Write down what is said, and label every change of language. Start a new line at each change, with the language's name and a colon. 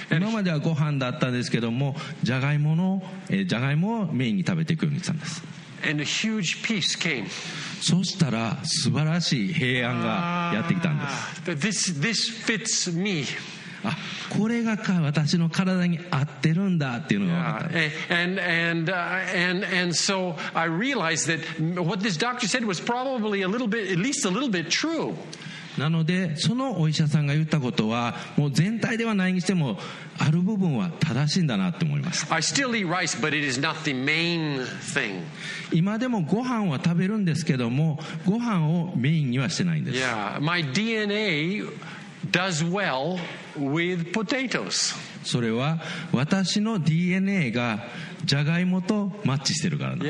Japanese: 今まではご飯だったんですけども、ジャガイモをメインに食べていくようにしたんです。
English: And a huge peace came.
Japanese: そしたら素晴らしい平安がやってきたんです。
English: this fits me.
Japanese: あ、これが私の体に合ってるんだっていうのが分かった。
English: and so I realized that what this doctor said was probably a little bit, at least a little bit true.
Japanese: なのでそのお医者さんが言ったことはもう全体ではないにしてもある部分は正しいんだなって思います。
English: I still eat rice, but it is not the main thing.
Japanese: 今でもご飯は食べるんですけども、ご飯をメインにはしてないんです。
English: Yeah, my DNA does well. With potatoes.
Japanese: それは私の DNA がジャガイモとマッチしてるからなんです。